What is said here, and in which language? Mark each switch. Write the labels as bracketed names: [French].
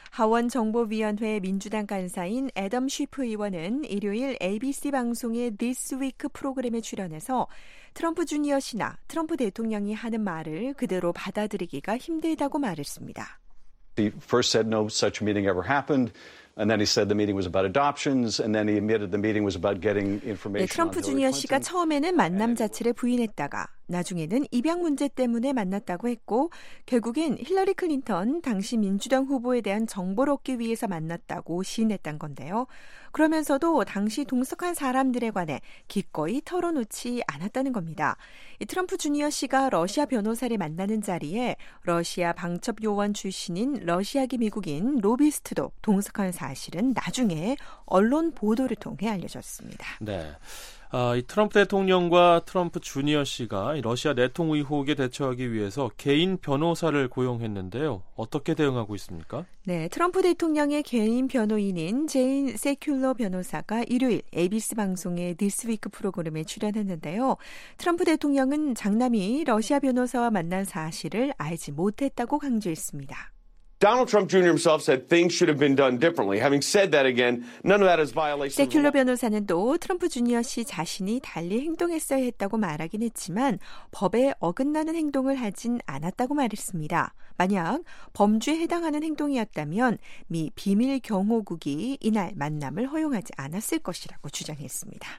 [Korean] 하원 정보위원회 민주당 간사인 애덤 쉬프 의원은 일요일 ABC 방송의 This Week 프로그램에 출연해서 트럼프 주니어 씨나 트럼프 대통령이 하는 말을 그대로 받아들이기가 힘들다고 말했습니다. [English] He first said no such meeting ever happened. And then he said the meeting was about adoptions. And then he admitted the meeting was about getting information. [Korean] 네, 트럼프 주니어 씨가 처음에는 만남 자체를 부인했다가 나중에는 입양 문제 때문에 만났다고 했고 결국엔 힐러리 클린턴 당시 민주당 후보에 대한 정보를 얻기 위해서 만났다고 시인했던 건데요. 그러면서도 당시 동석한 사람들에 관해 기꺼이 털어놓지 않았다는 겁니다. 트럼프 주니어 씨가 러시아 변호사를 만나는 자리에 러시아 방첩 요원 출신인 러시아계 미국인 로비스트도 동석한 사실은 나중에 언론 보도를 통해 알려졌습니다. 네. 이 트럼프 대통령과 트럼프 주니어 씨가 러시아 내통 의혹에 대처하기 위해서 개인 변호사를 고용했는데요. 어떻게 대응하고 있습니까? 네, 트럼프 대통령의 개인 변호인인 제인 세큘러 변호사가 일요일 ABC 방송의 This Week 프로그램에 출연했는데요. 트럼프 대통령은 장남이 러시아 변호사와 만난 사실을 알지 못했다고 강조했습니다. [English] Donald Trump Jr. himself said things should have been done differently. Having said that again, none of that is violation. [Korean] 세큘러 변호사는 또 트럼프 주니어 씨 자신이 달리 행동했어야 했다고 말하긴 했지만 법에 어긋나는 행동을 하진 않았다고 말했습니다. 만약 범죄에 해당하는 행동이었다면 미 비밀 경호국이 이날 만남을 허용하지 않았을 것이라고 주장했습니다.